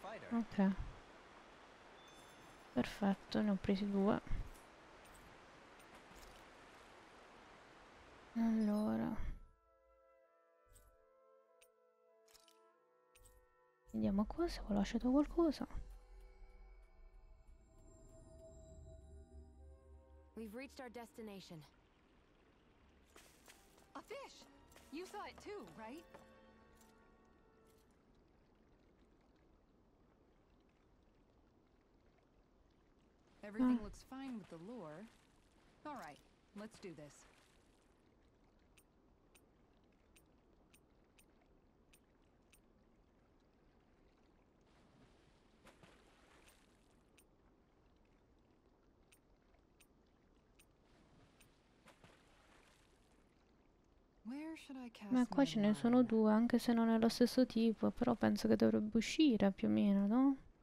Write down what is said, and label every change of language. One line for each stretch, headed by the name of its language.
Italian: Ok, perfetto, ne ho presi due. Allora, vediamo qua se ho lasciato qualcosa.
English: We've reached our destination. A fish! You saw it too, right? Everything looks fine with the lure. All right, let's do this. Where should I cast my line?
Italian: Ma qua ce ne sono due, anche se non è lo stesso tipo, però penso che dovrebbe uscire più o meno, no?